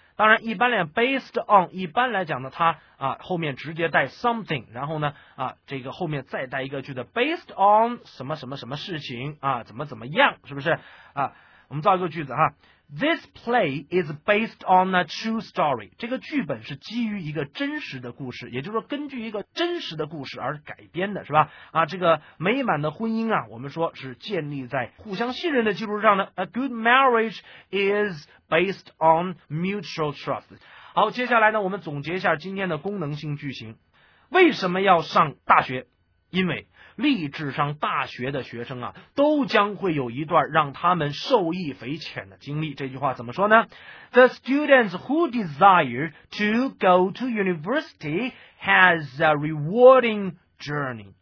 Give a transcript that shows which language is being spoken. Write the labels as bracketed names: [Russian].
[Chinese] 当然一般来讲 based on, 一般来讲呢它啊后面直接带 something, 然后呢啊这个后面再带一个句子 based on 什么什么什么事情啊怎么怎么样是不是啊，我们造一个句子哈。 [English] This play is based on a true story. [Chinese] 这个剧本是基于一个真实的故事，也就是说根据一个真实的故事而改编的是吧，啊这个美满的婚姻啊我们说是建立在互相信任的基础上的。 [English] A good marriage is based on mutual trust. [Chinese] 好，接下来呢我们总结一下今天的功能性句型。为什么要上大学？因为立志上大学的学生啊都将会有一段让他们受益匪浅的经历。这句话怎么说呢？ [English] The students who desire to go to university has a rewarding journey.